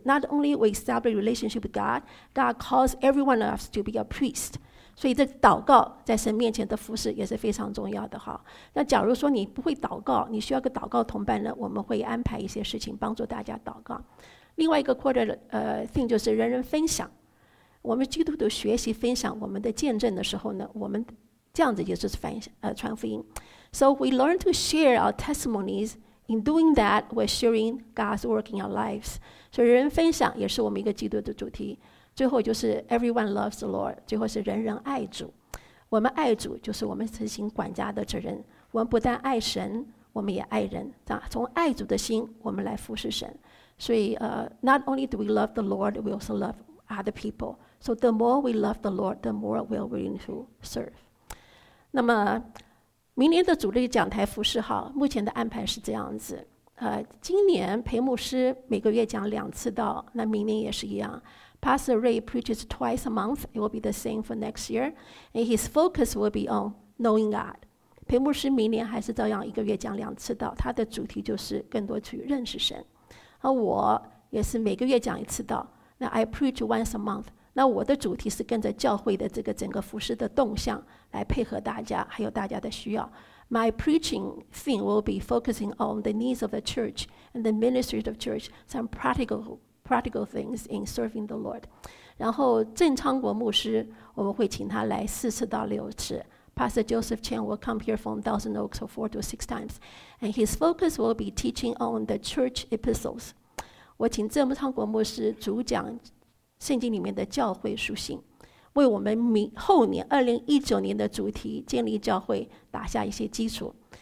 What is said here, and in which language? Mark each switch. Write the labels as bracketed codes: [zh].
[en] Not only we establish relationship with God, God calls every one of us to be a priest. [zh] 所以这祷告在神面前的服事也是非常重要的哈。那假如说你不会祷告，你需要个祷告同伴呢，我们会安排一些事情帮助大家祷告。另外一个 [en] quarter thing [zh] 就是人人分享。我们基督徒学习分享我们的见证的时候呢，我们这样子也是传福音。 [en] So we learn to share our testimonies. In doing that, we're sharing God's work in our lives. [zh] 所以人分享也是我们一个基督的主题。最后就是 [en] everyone loves the Lord. [zh] 最后是人人爱主。我们爱主就是我们执行管家的责任。我们不但爱神，我们也爱人。从爱主的心，我们来服侍神。所以 [en] not only do we love the Lord, we also love other people. So the more we love the Lord, the more we're willing to serve. [zh] 那么明年的主日讲台服事号目前的安排是这样子，今年裴牧师每个月讲两次道，那明年也是一样。 [en] Pastor Ray preaches twice a month. It will be the same for next year. And his focus will be on knowing God. [zh] 裴牧师明年还是照样一个月讲两次道，他的主题就是更多去认识神。而我也是每个月讲一次道，那 [en] I preach once a month. [zh] 那我的主题是跟着教会的这个整个服事的动向来配合大家，还有大家的需要。 [en] My preaching thing will be focusing on the needs of the church and the ministry of church, some practical things in serving the Lord. [zh] 然后郑昌国牧师我们会请他来四次到六次。 [en] Pastor Joseph Chen will come here from Thousand Oaks for 4 to 6 times, and his focus will be teaching on the church epistles. [zh] 我请郑昌国牧师主讲圣经里面的教会书信，为我们后年2019年的主题建立教会打下一些基础。